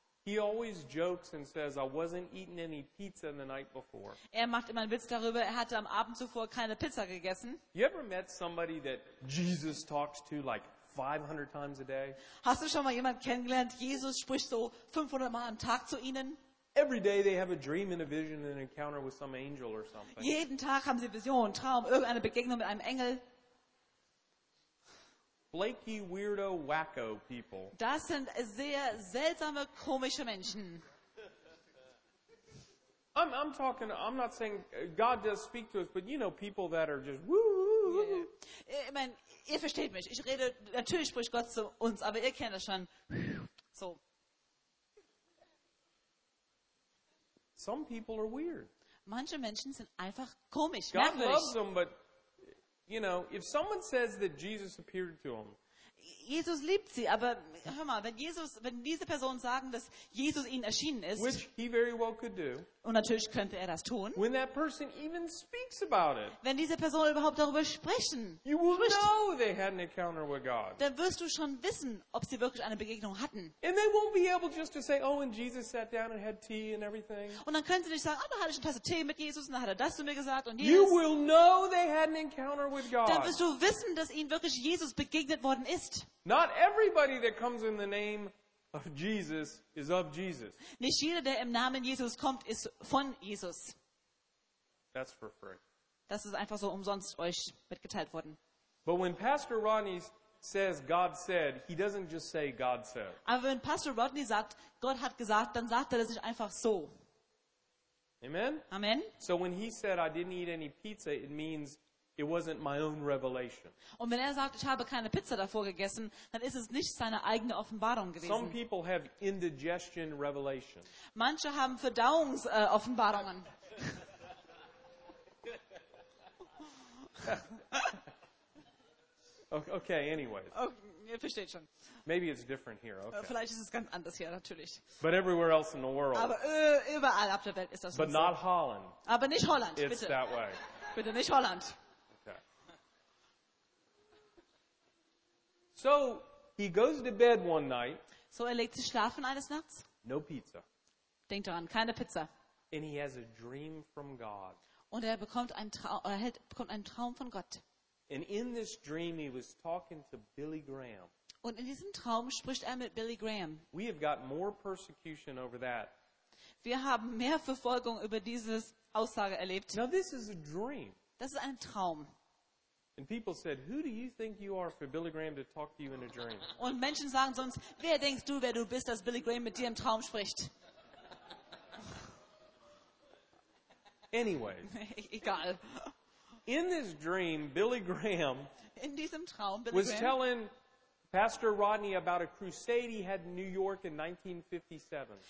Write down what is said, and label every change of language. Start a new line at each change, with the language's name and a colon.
English: He always jokes and says, I wasn't eating any pizza the night before.
German: Er macht immer einen Witz darüber, er hatte am Abend zuvor keine Pizza gegessen.
English: You ever met somebody that Jesus talks to like 500 times a day?
German: Hast du schon mal jemanden kennengelernt, Jesus spricht so 500 Mal am Tag zu ihnen?
English: Every day they have a dream and a vision and an encounter with some angel or something.
German: Jeden Tag haben sie Vision, Traum, irgendeine Begegnung mit einem Engel.
English: Flaky, weirdo, wacko people.
German: Das sind sehr seltsame, komische Menschen.
English: I'm not saying God does speak to us, but you know, people that are just woo.
German: Yeah. Ich meine, ihr versteht mich. Ich rede, natürlich spricht Gott zu uns, aber ihr kennt das schon.
English: So. Some people are weird.
German: Manche Menschen sind einfach komisch.
English: God loves them, but you know, if someone says that Jesus appeared to them,
German: Jesus liebt sie, aber hör mal, wenn diese Personen sagen, dass Jesus ihnen erschienen ist,
English: which he very well could do,
German: und natürlich könnte er das tun,
English: when that person even speaks about it,
German: wenn diese Person überhaupt darüber sprechen,
English: you will know they had an encounter with God.
German: Dann wirst du schon wissen, ob sie wirklich eine Begegnung hatten.
English: And they won't be able just to say, oh, and Jesus sat down and had tea and everything.
German: Und dann können sie nicht sagen, oh, da hatte ich eine Tasse Tee mit Jesus und dann hat er das zu mir gesagt und
English: Jesus. You will know they had an encounter with God.
German: Dann wirst du wissen, dass ihnen wirklich Jesus begegnet worden ist.
English: Not everybody that comes in the name of Jesus is of Jesus.
German: Nicht jeder, der im Namen Jesus kommt, ist von Jesus.
English: That's for free.
German: Das ist einfach so umsonst euch mitgeteilt worden.
English: But when Pastor Rodney says God said, he doesn't just say God said.
German: Aber wenn Pastor Rodney sagt, Gott hat gesagt, dann sagt er das nicht einfach so.
English: Amen.
German: Amen.
English: So when he said I didn't eat any pizza, it means it wasn't my own revelation.
German: Und wenn er sagt, ich habe keine Pizza davor gegessen, dann ist es nicht seine eigene Offenbarung gewesen.
English: Some people have indigestion revelation.
German: Manche haben Verdauungsoffenbarungen.
English: Okay, anyways.
German: Okay, ihr versteht schon.
English: Maybe it's different here. Okay.
German: Vielleicht ist es ganz anders hier, natürlich.
English: But everywhere else in the world.
German: Aber überall auf der Welt ist das so.
English: But not Holland.
German: Aber nicht Holland, bitte.
English: It's that way.
German: Bitte nicht Holland.
English: So he goes to bed one night.
German: So er legt sich schlafen eines Nachts.
English: No pizza.
German: Denkt daran, keine Pizza.
English: And he has a dream from God.
German: Und er bekommt einen Traum von Gott.
English: And in this dream he was talking to Billy Graham.
German: Und in diesem Traum spricht er mit Billy Graham.
English: We have got more persecution over that.
German: Wir haben mehr Verfolgung über diese Aussage erlebt.
English: Now this is a dream.
German: Das ist ein Traum.
English: And people said, "Who do you think you are for Billy Graham to talk to you in a dream?"
German: Und Menschen sagen sonst, wer denkst du, wer du bist, dass Billy Graham mit dir im Traum spricht?
English: Anyway.
German: Egal.
English: In this dream, Billy Graham
German: in diesem Traum, Billy
English: was Graham telling Pastor Rodney about a crusade he had in New York in 1957.